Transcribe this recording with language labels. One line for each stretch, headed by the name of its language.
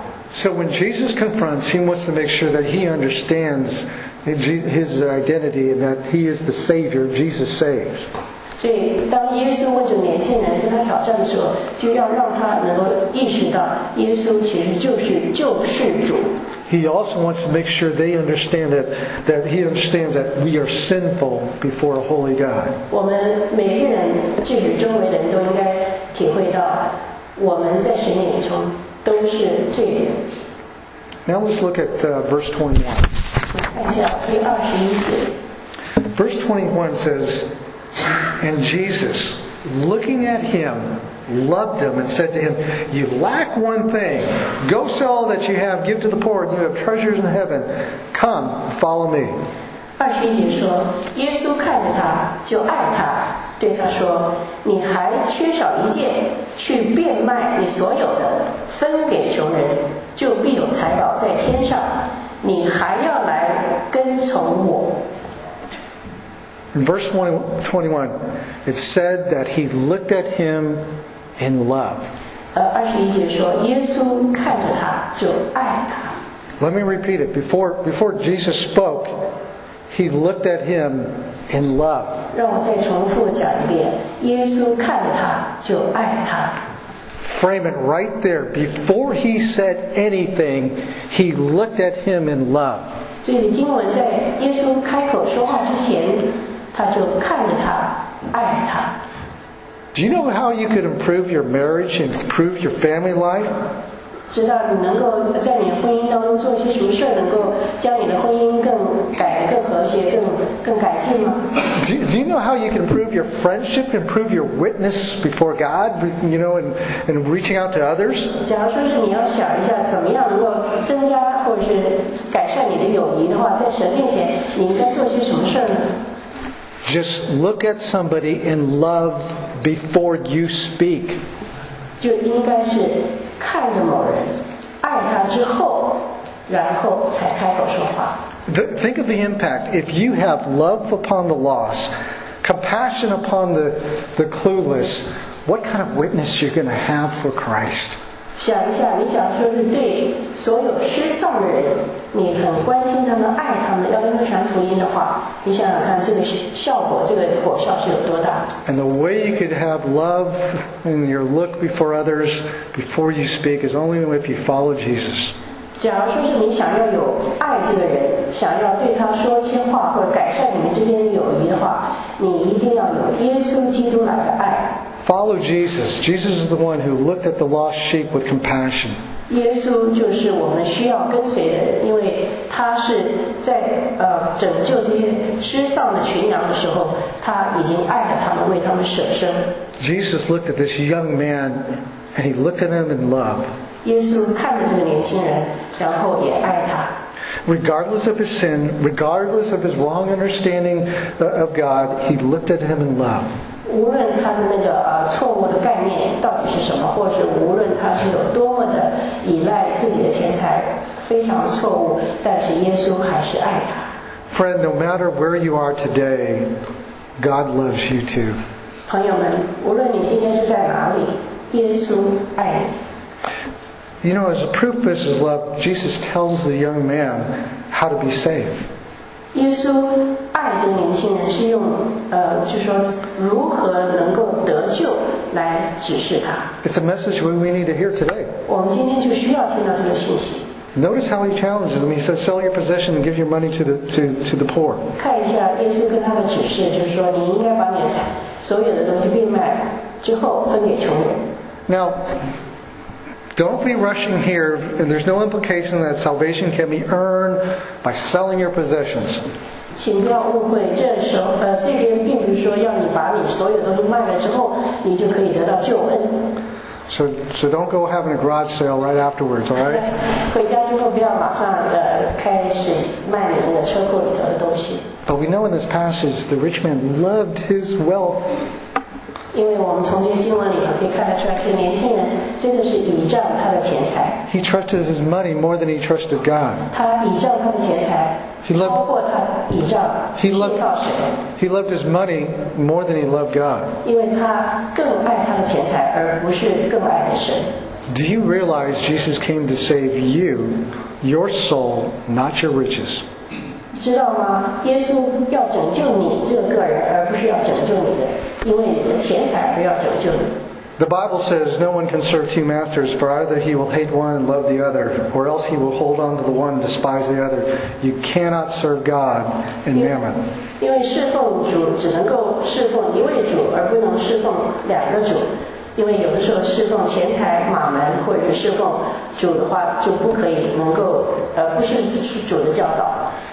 English: So when Jesus confronts, he wants to make sure that he understands his identity and that he is the Savior, Jesus saves.
Chinese: 所以当耶稣问着年轻人跟他挑战的时候，就要让他能够意识到耶稣其实就是主。
English: He also wants to make sure they understand that he understands that we are sinful before a holy God.
Chinese: 我们每个人，即使周围的人都应该体会到，我们在神眼中都是罪人。
English: Now let's look at verse 21.
Chinese: 看一下第二十一节。
English: Verse 21 says, "And Jesus, looking at him,loved him and said to him, you lack one thing. Go sell all that you have, give to the poor, and you have treasures in heaven. Come, follow me."
Chinese: 二十一节说，耶稣看着他，就爱他，对他说，你还缺少一件，去变卖你所有的，分给穷人，就必有财宝在天上。你还要来跟从我。
English: In verse 21, it said that he looked at him in love.
Chinese: 21节说，耶稣看着他就爱他。
English: Let me repeat it. Before Jesus spoke, he looked at him in love.
Chinese: 让我再重复讲一遍，耶稣看着他就爱他。
English: Frame it right there. Before he said anything, he looked at him in love.
Chinese: 所以经文在耶稣开口说话之前，他就看着他，爱他。
English: Do you know how you could improve your marriage and improve your family life?
Chinese: 知道你能够在你婚姻当中做些什么事，能够将你的婚姻更和谐，更改进吗？
English: Do you know how you can improve your friendship, improve your witness before God, you know, and reaching out to others?
Chinese: 假如说是你要想一下怎么样能够增加或是改善你的友谊的话，在神面前你应该做些什么事呢？
English: Just look at somebody in love before you speak.
Chinese: 就应该是看着某人，爱他之后，然后才开口说话。
English: Think of the impact. If you have love upon the lost, compassion upon the clueless, what kind of witness you're going to have for Christ?
Chinese: 想一下，你假如说是对所有失丧的人，你很关心他们，爱他们，要跟他传福音的话，你想想看，这个效果，这个果效是有多大
English: ？And the way you could have love in your look before others before you speak is only if you follow Jesus.
Chinese: 假如说是你想要有爱这个人，想要对他说一些话，或者改善你们之间的友谊的话，你一定要有耶稣基督来的爱。
English: Follow Jesus. Jesus is the one who looked at the lost sheep with compassion.
Chinese: 耶稣就是我们需要跟随的人，因为他是在拯救这些失丧的群羊的时候，他已经爱了他们，为他们舍身。
English: Jesus looked at this young man, and he looked at him in love.
Chinese: 耶稣看着这个年轻人，然后也爱他。
English: Regardless of his sin, regardless of his wrong understanding of God, he looked at him in love.
Chinese: 无论他的那个错误的概念到底是什么，或者无论他是有多么的依赖自己的钱财，非常错误，但是耶稣还是爱他。
English: Friend, no matter where you are today, God loves you too.
Chinese: 朋友们，无论你今天是在哪里，耶稣爱你。
English: You know, as a proof of his love, Jesus tells the young man how to be safe.
Chinese: 耶稣爱这个年轻人是用就说如何能够得救来指示他。
English: It's a message we need to hear today.
Chinese: 我们今天就需要听到这个信息。
English: Notice how he challenges them. He says, "Sell your possession and give your money to the poor."
Chinese: 看一下耶稣跟他的指示，就是说你应该把你的所有的东西变卖之后分给穷人。
English: Now. Don't be rushing here, and there's no implication that salvation can be earned by selling your possessions.
Chinese: 请不要误会，这边并不是说要你把你所有东西卖了之后，你就可以得到救恩。
English: So don't go having a garage sale right afterwards, all right?
Chinese: 回家之后不要马上开始卖你的车库里头的东西。
English: But we know in this passage, the rich man loved his wealth.
Chinese: 因为我们从这些经文里头可以看得出来，这年轻人真的是倚仗他的钱财。
English: He trusted his money more than he trusted God.
Chinese: 他倚仗他的钱财，超过他倚仗信靠神。
English: He loved his money more than he loved God.
Chinese: 因为他更爱他的钱财，而不是更爱神。
English: Do you realize Jesus came to save you, your soul, not your riches?
Chinese: 知道吗？耶稣要拯救你这个人，而不是要拯救你的，因为你的钱财而要拯救你。
English: The Bible says no one can serve two masters, for either he will hate one and love the other, or else he will hold on to the one and despise the other. You cannot serve God and mammon.